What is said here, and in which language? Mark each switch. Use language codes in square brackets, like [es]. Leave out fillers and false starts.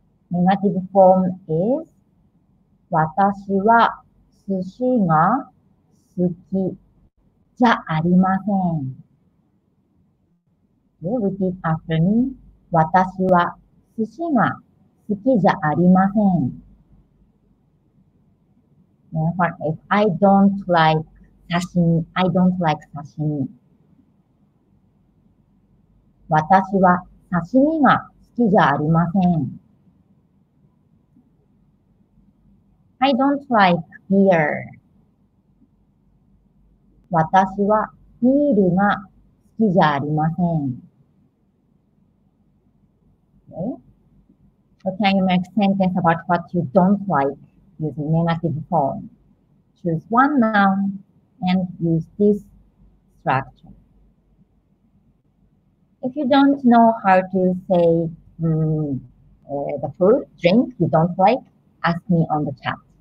[en] Negative form is [ja] 私は寿司が好きじゃありません。 [en] Okay, repeat after me. [ja] 私は寿司が好きじゃありません。 [en] Then what if I don't like刺身, I don't like 刺身。 [ja] 私は刺身が好きじゃありません。 [en] I don't like beer. [ja] 私はビールが好きじゃありません。 [en] Okay. So can you make sentence about what you don't like using negative form? Choose one noun. And use this structure. If you don't know how to say the food, drink you don't like, ask me on the chat.